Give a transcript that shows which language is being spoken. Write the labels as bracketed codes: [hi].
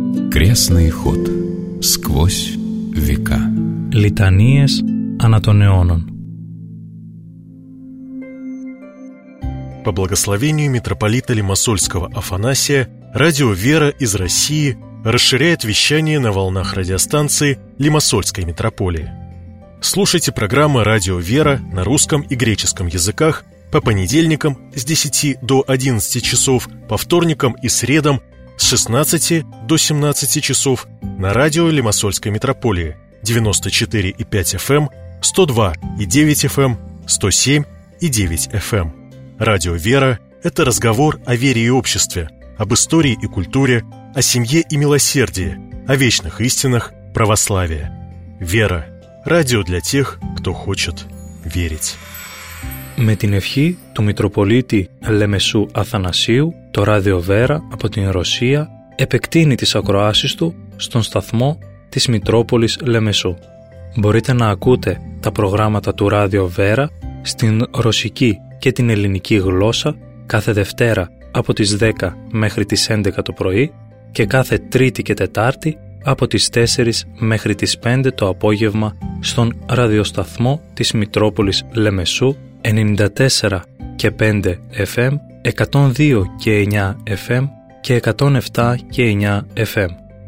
[ru] Крестный ход сквозь века. [el] Литанийες ана των αιώνων. [ru] По благословению митрополита Лимассольского Афанасия, радио «Вера» из России расширяет вещание на волнах радиостанции Лимассольской митрополии. Слушайте программы «Радио «Вера» на русском и греческом языках по понедельникам с 10 до 11 часов, по вторникам и средам с 16 до 17 часов на радио Лимассольской митрополии 94,5 FM, 102,9 FM, 107,9 FM. Радио «Вера» – это разговор о вере и обществе, об истории и культуре, о семье и милосердии, о вечных истинах православия. «Вера» – радио для тех, кто хочет верить. [el] Με την ευχή του Μητροπολίτη Λεμεσού Αθανασίου, το Ράδιο Βέρα από την Ρωσία επεκτείνει τις ακροάσεις του στον σταθμό της Μητρόπολης Λεμεσού. Μπορείτε να ακούτε τα προγράμματα του Ράδιο Βέρα στην ρωσική και την ελληνική γλώσσα κάθε Δευτέρα από τις 10 μέχρι τις 11 το πρωί και κάθε Τρίτη και Τετάρτη από τις 4 μέχρι τις 5 το απόγευμα στον ραδιοσταθμό της Μητρόπολης Λεμεσού 94 και 5 FM, 102 και 9 FM και 107 και 9 FM.